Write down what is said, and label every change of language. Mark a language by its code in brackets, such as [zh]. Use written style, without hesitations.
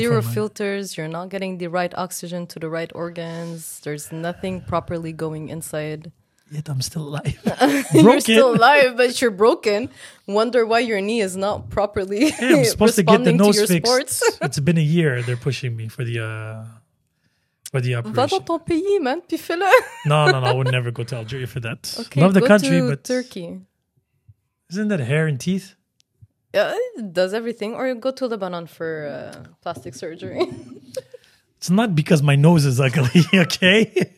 [en] zero filters. You're not getting the right oxygen to the right organs. There's nothing properly going inside. Yet I'm still alive. You're still alive, but you're broken. Wonder why your knee is not properly responding. I'm supposed to get the nose fixed. It's been a year. They're pushing me for the... [fr] Va dans ton pays, man, puis fais-le. [en] No, I would never go to Algeria for that. Okay, love the country, but... Turkey. Isn't that hair and teeth? Yeah, it does everything. Or go to Lebanon for plastic surgery. It's not because my nose is ugly, okay?